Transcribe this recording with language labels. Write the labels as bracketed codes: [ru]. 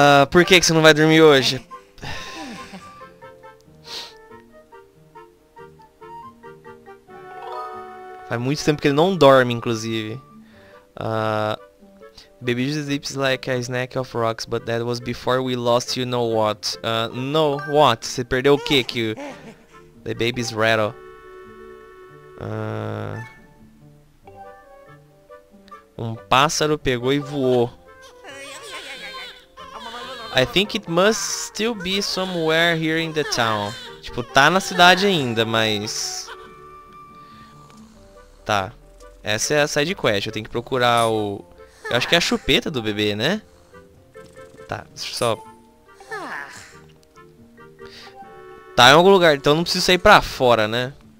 [pt] Por que você não vai dormir hoje? Faz muito tempo que ele não dorme, inclusive. [en] Baby sleeps like a snack of rocks, but that was before we lost you know what. No, what? [pt] Você perdeu o quê? Que o... [en] The baby's rattle. [pt] Um pássaro pegou e voou. [en] I think it must still be somewhere here in the town. [pt] Tipo, tá na cidade ainda, mas... Tá, essa é a side quest. Eu tenho que procurar o... Eu acho que é a chupeta do bebê, né? Tá, deixa eu só... Tá em algum lugar, então não preciso sair pra fora, né?